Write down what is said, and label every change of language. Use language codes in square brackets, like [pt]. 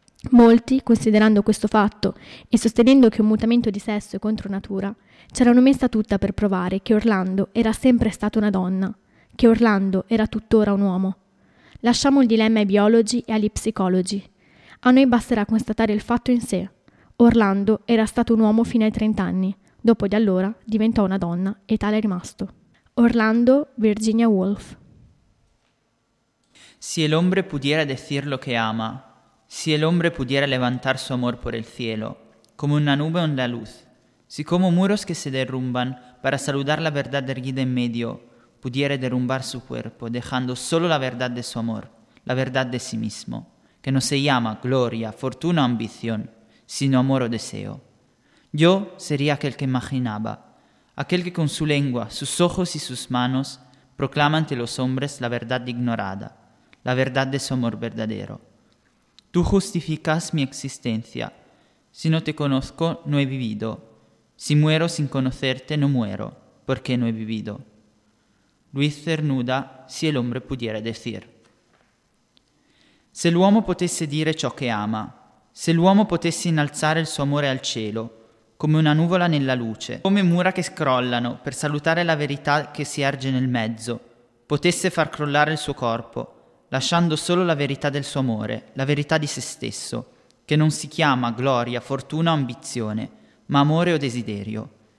[it] Molti, considerando questo fatto e sostenendo che un mutamento di sesso è contro natura, c'erano messa tutta per provare che Orlando era sempre stata una donna, che Orlando era tuttora un uomo. Lasciamo il dilemma ai biologi e agli psicologi. A noi basterà constatare il fatto in sé. Orlando era stato un uomo fino ai 30 anni. Dopo di allora diventò una donna e tale è rimasto. Orlando Virginia Woolf. [es] Si el hombre pudiera decir lo que ama, si el hombre pudiera levantar su amor por el cielo, como una nube o la luz, si como muros que se derrumban para saludar la verdad erguida en medio, pudiera derrumbar su cuerpo dejando solo la verdad de su amor, la verdad de sí mismo, que no se llama gloria, fortuna o ambición, sino amor o deseo. Yo sería aquel que imaginaba, aquel que con su lengua, sus ojos y sus manos proclama ante los hombres la verdad ignorada, la verdad de su amor verdadero. Tú justificas mi existencia. Si no te conozco, no he vivido. Si muero sin conocerte, no muero, porque no he vivido. Luis Cernuda, si el hombre pudiera decir. [it] Se l'uomo potesse dire ciò che ama, se l'uomo potesse innalzare il suo amore al cielo, come una nuvola nella luce, come mura che scrollano per salutare la verità che si erge nel mezzo, potesse far crollare il suo corpo, lasciando solo la verità del suo amore, la verità di se stesso, che non si chiama gloria, fortuna o ambizione, ma amore o desiderio.